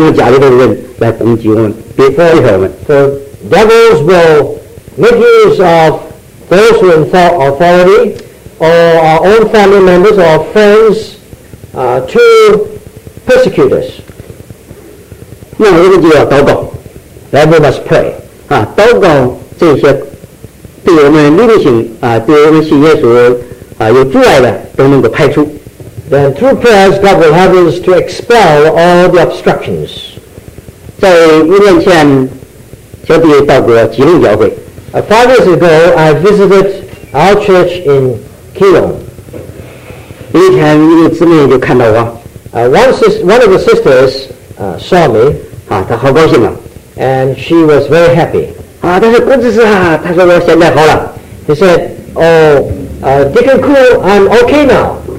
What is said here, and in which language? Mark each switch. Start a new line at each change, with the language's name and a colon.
Chinese: 就是莫过于借着我们的朋友啦或者是我们的长官啦或者是我们的亲戚啦或者我们家里的人来攻击我们逼迫我们
English: So devils will make use of those who insult authority or our own family members or friends to persecute us
Chinese: 那我们就要祷告
English: Then we must pray
Chinese: 祷告这些对我们灵性对我们信耶稣 有阻碍的都能够排除
English: Then through prayers God will have us to expel all the obstructions
Chinese: 在一年前小弟到过吉隆教会
English: 5 years ago I visited our church in Keelung
Chinese: 有一天一个姊妹就看到我
English: one of the sisters saw me
Chinese: 她好高兴啊
English: And she was very happy
Chinese: 但是她说我现在好了
English: She said Oh Deacon Koo, I'm okay now.